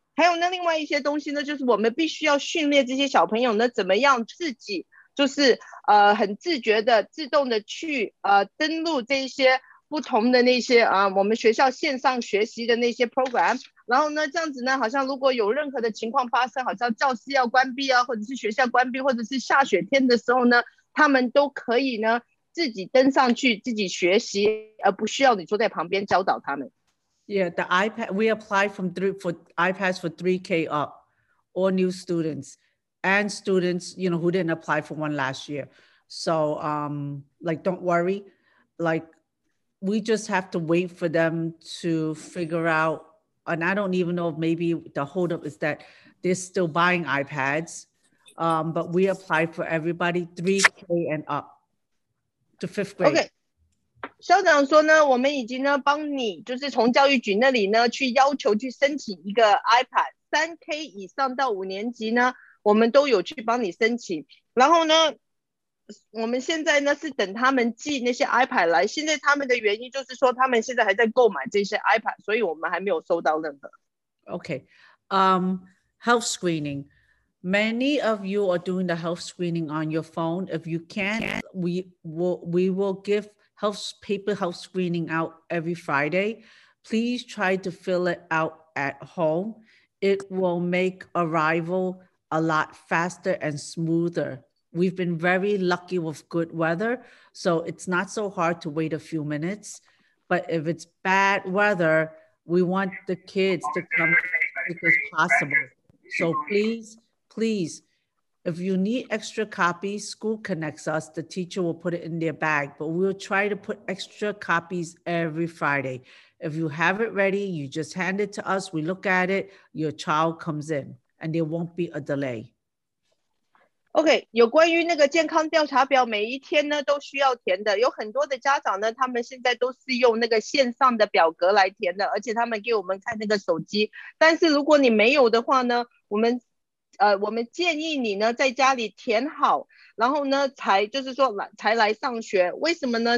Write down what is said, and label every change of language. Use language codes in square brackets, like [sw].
[zh] 还有呢另外一些东西呢，就是我们必须要训练这些小朋友呢怎么样自己就是很自觉的自动的去登录这些不同的那些我们学校线上学习的那些 program。然后呢这样子呢好像如果有任何的情况发生，好像教室要关闭啊，或者是学校关闭，或者是下雪天的时候呢，他们都可以呢自己登上去自己学习，而不需要你坐在旁边教导他们。 [en] Yeah, the iPad, we apply for iPads for 3K up, all new students and students, you know, who didn't apply for one last year. So, like, don't worry. Like, we just have to wait for them to figure out. And I don't even know if maybe the holdup is that they're still buying iPads. But we apply for everybody 3K and up to fifth grade. Okay. [zh] 校长说呢，我们已经呢帮你就是从教育局那里呢去要求去申请一个 iPad， 3K 以上到五年级呢我们都有去帮你申请。然后呢我们现在呢是等他们寄那些 iPad 来，现在他们的原因就是说他们现在还在购买这些 iPad， 所以我们还没有收到任何。 [en] OK、health screening. Many of you are doing the health screening on your phone. If you can, we will givehealth paper health screening out every Friday. Please try to fill it out at home. It will make arrival a lot faster and smoother. We've been very lucky with good weather, so it's not so hard to wait a few minutes. But if it's bad weather, we want the kids to come as quick as possible. So please, please, if you need extra copies, School Connects us. The teacher will put it in their bag, but we'll try to put extra copies every Friday. If you have it ready, you just hand it to us. We look at it. Your child comes in and there won't be a delay. [zh] OK, 有关于那个健康调查表，每一天呢都需要填的。有很多的家长呢，他们现在都是用那个线上的表格来填的，而且他们给我们看那个手机。但是如果你没有的话呢，我们建议你呢在家里填好，然后呢才就是说才来上学。为什么呢？